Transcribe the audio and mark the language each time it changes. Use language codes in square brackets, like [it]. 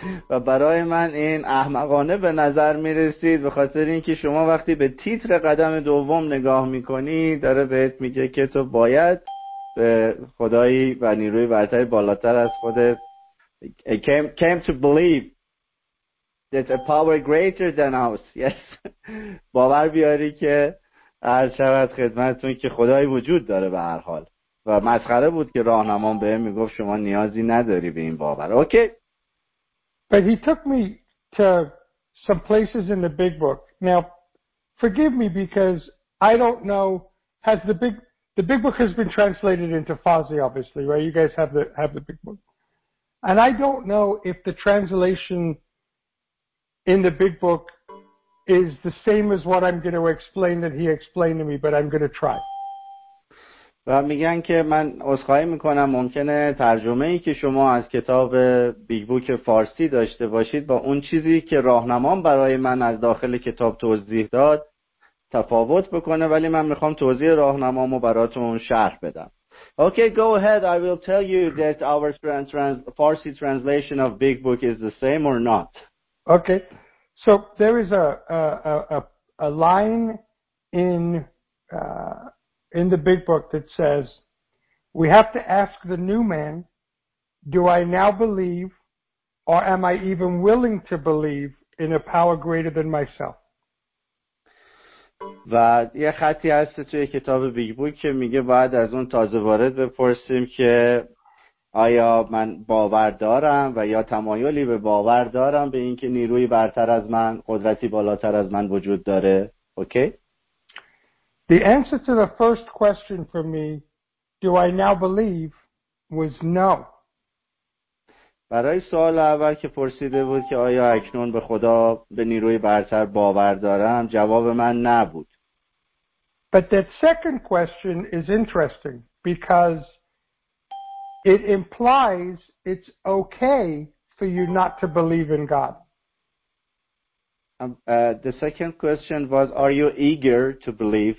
[fa] و برای من این احمقانه به نظر می رسید به خاطر اینکه شما وقتی به تیتر قدم 2 نگاه می کنی داره بهت میگه که تو باید به خدایی و نیروی برتری بالاتر از خودت came to believe. [en] That a power greater than us. Yes. [fa] باور بیاری که عرض شود خدمتتون که خدایی وجود داره به هر حال. و مسخره بود که راهنمام به من میگفت شما نیازی نداری به این باور. اوکی. [en] But he took me to some places in the big book. Now, forgive me because I don't know, has the big book has been translated into Farsi obviously, right? You guys have the big book. And I don't know if the translation in the big book is the same as what I'm going to explain that he explained to me, but I'm going to try. [fa] و میگن که من عذرخواهی میکنم ممکنه ترجمه ای که شما از کتاب بیگ بوک فارسی داشته باشید با اون چیزی که راهنمام برای من از داخل کتاب توضیح داد تفاوت بکنه، ولی من میخوام توضیح راهنمامو براتون شرح بدم. [en] Okay, go ahead. I will tell you that our Farsi translation of big book is the same or not. Okay, so there is a line in the big book that says, we have to ask the new man, do I now believe or am I even willing to believe in a power greater than myself? [fa] و یه خطی هست توی کتاب بیگ بوک که میگه باید از اون تازه وارد بپرسیم که آیا من باور دارم و یا تمایلی به باور دارم به این که نیروی برتر از من، قدرتی بالاتر از من وجود داره. اوکی؟ [en] The answer to the first question for me, do I now believe, was no. [fa] برای سوال اول که پرسیده بود که آیا اکنون به خدا، به نیروی برتر باور دارم، جواب من نبود. [en] But that second question is interesting because it implies it's okay for you not to believe in God. The second question was, are you eager to believe?